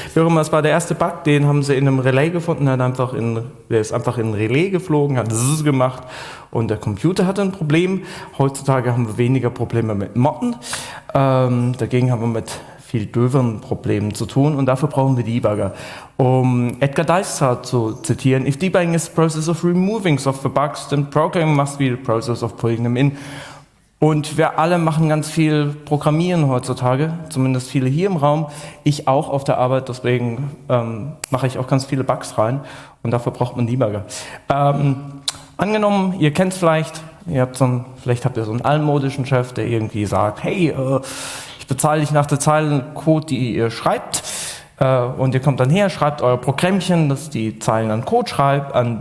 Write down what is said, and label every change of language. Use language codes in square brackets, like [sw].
[de] Wie auch immer, es war der erste Bug, den haben sie in einem Relay gefunden. Der ist einfach in ein Relay geflogen, hat zzzz gemacht und der Computer hatte ein Problem. Heutzutage haben wir weniger Probleme mit Motten. Dagegen haben wir mit viel döveren Problemen zu tun und dafür brauchen wir Debugger. Um Edgar Dijkstra zu zitieren, [en] if debugging is the process of removing software bugs, then programming must be the process of putting them in. [de] Und wir alle machen ganz viel Programmieren heutzutage, zumindest viele hier im Raum, ich auch auf der Arbeit, deswegen mache ich auch ganz viele Bugs rein und dafür braucht man Debugger. Angenommen, ihr kennt es vielleicht, vielleicht habt ihr so einen altmodischen Chef, der irgendwie sagt, hey, bezahle ich nach der Zeile Code, die ihr schreibt, und ihr kommt dann her, schreibt euer Programmchen, das die Zeilen an Code schreibt,